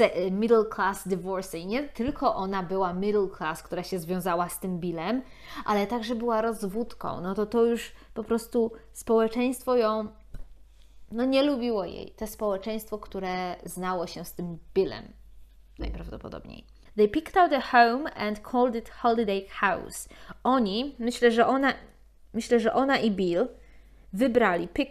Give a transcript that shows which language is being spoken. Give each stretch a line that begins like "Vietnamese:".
English: Middle class divorcee.
Polish: Nie tylko ona była middle class, która się związała z tym Billem, ale także była rozwódką. No to to już po prostu społeczeństwo ją, no nie lubiło jej. To społeczeństwo, które znało się z tym Billem. Najprawdopodobniej.
English: They picked out a home and called it Holiday House.
Polish: Oni, myślę, że ona i Bill wybrali.